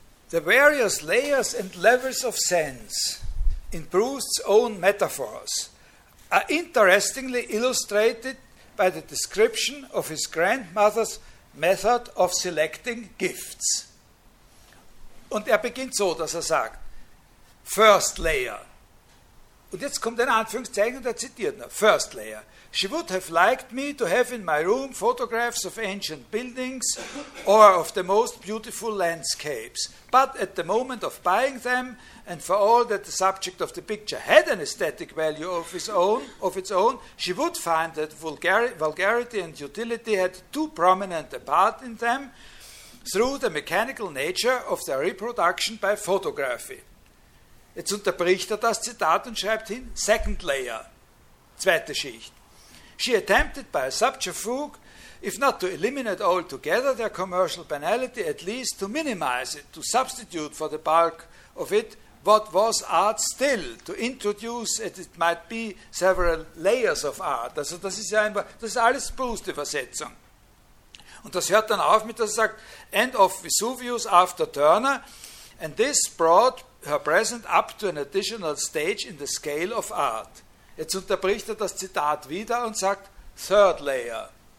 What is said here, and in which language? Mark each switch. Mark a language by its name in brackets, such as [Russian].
[English] The various layers and levels of sense in Proust's own metaphors are interestingly illustrated by the description of his grandmother's method of selecting gifts. [German] Und er beginnt so, dass er sagt, [English] first layer. [German] Und jetzt kommt ein Anführungszeichen und er zitiert noch, [English] first layer. She would have liked me to have in my room photographs of ancient buildings or of the most beautiful landscapes. But at the moment of buying them, and for all that the subject of the picture had an aesthetic value of its own, she would find that vulgarity and utility had too prominent a part in them through the mechanical nature of their reproduction by photography. [German] Jetzt unterbricht er das Zitat und schreibt hin, [English] second layer, [German] zweite Schicht. [English] She attempted by a subterfuge, if not to eliminate altogether their commercial banality, at least to minimize it, to substitute for the bulk of it what was art still, to introduce, as it might be, several layers of art. [German] Also das ist ja einfach, das ist alles bewusste Versetzung. Und das hört dann auf mit, dass er sagt, [English] end of Vesuvius after Turner, and this brought her present up to an additional stage in the scale of art. [German] Jetzt unterbricht er das Zitat wieder und sagt, [English] third layer.